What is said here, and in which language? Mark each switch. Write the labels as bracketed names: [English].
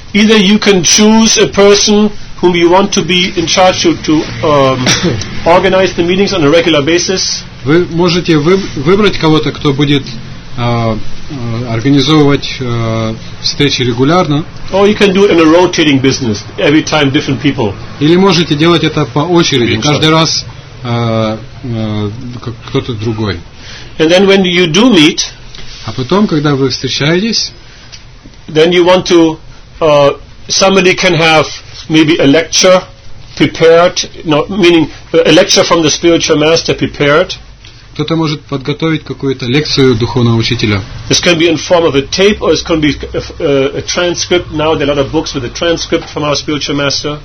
[English] Either you can choose a person whom you want to be in charge to organize the meetings on a regular basis. [Russian] Вы можете выбрать кого-то, кто будет организовывать встречи регулярно? [English] Or you can do it in a rotating business, every time different people. [Russian] Или можете делать это по очереди, каждый раз кто-то другой. [English] And then when you do meet, [Russian] а потом, когда вы встречаетесь, [English] then you want to somebody can have maybe a lecture prepared, meaning a lecture from the spiritual master prepared. [Russian] Кто-то может подготовить какую-то лекцию духовного учителя. [English] This can be in form of a tape, or it can be a transcript. Now there are a lot of books with a transcript from our spiritual master.